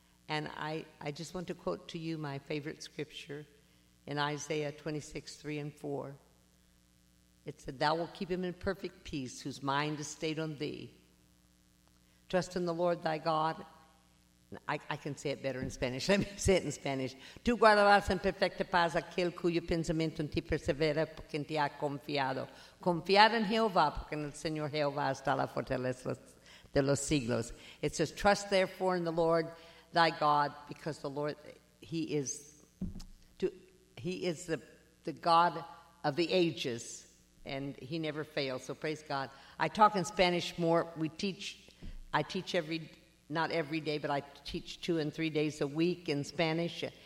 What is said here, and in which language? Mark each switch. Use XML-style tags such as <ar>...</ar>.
<en>And I just want to quote to you my favorite scripture in Isaiah 26, 3 and 4. It said, "Thou wilt keep him in perfect peace, whose mind is stayed on thee. Trust in the Lord thy God." I can say it better in Spanish. Let me say it in Spanish.</en> <es>Tú guardarás en perfecta paz aquel cuyo pensamiento en ti persevera porque en ti ha confiado. Confiar en Jehová porque en el Señor Jehová está la fortaleza de los siglos.</es> <en>It says, trust therefore in the Lord thy God, because the Lord, he is the God of the ages, and he never fails. So praise God. I talk in Spanish more. I teach every, not every day, but I teach 2 and 3 days a week in Spanish.</en>